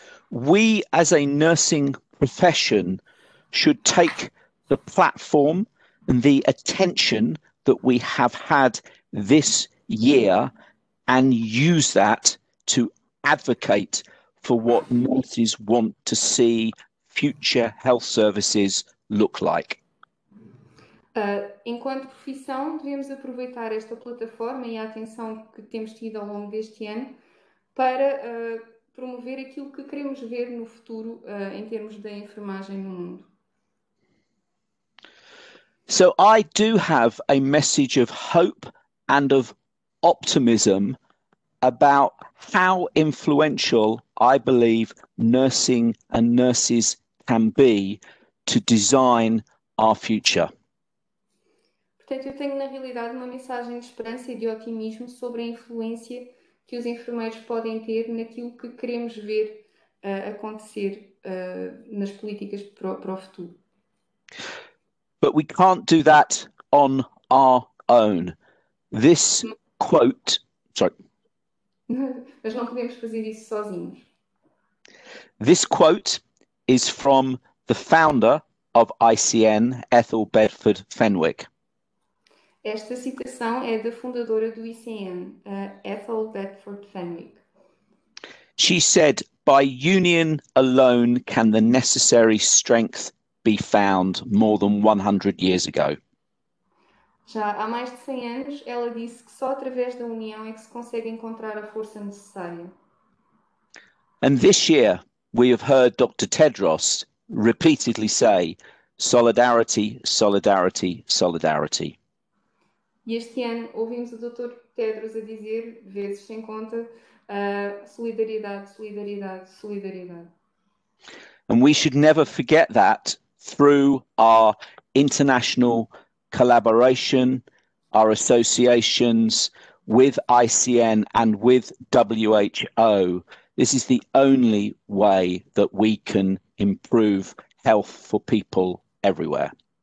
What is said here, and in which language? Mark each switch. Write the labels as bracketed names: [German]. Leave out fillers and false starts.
[English] We, as a nursing profession, should take the platform and the attention that we have had this year and use that to advocate for what nurses want to see future health services look like. [Portuguese] Enquanto profissão, devemos aproveitar esta plataforma e a atenção que temos tido ao longo deste ano para promover aquilo que queremos ver no futuro, em termos da enfermagem no mundo. [English] So, I do have a message of hope and of optimism about how influential I believe nursing and nurses can be to design our future. [Portuguese] Portanto, eu tenho na realidade uma mensagem de esperança e de otimismo sobre a influência que os enfermeiros podem ter naquilo que queremos ver acontecer nas políticas para o futuro. [English] But we can't do that on our own. This quote, sorry. [Portuguese] Mas não podemos fazer isso sozinhos. [English] This quote is from the founder of ICN, Ethel Bedford Fenwick. [Portuguese] Esta citação é da fundadora do ICN, a Ethel Bedford Fenwick. [English] She said, "By union alone can the necessary strength be found more than 100 years ago." [Portuguese] Já há mais de 100 anos, ela disse que só através da união é que se consegue encontrar a força necessária. [English] And this year, we have heard Dr. Tedros repeatedly say, "Solidarity, solidarity, solidarity." [Portuguese] E este ano ouvimos o Dr. Tedros a dizer, vezes sem conta, solidariedade, solidariedade, solidariedade. [English] And we should never forget that through our international collaboration, our associations with ICN and with WHO. This is the only way that we can improve health for people everywhere.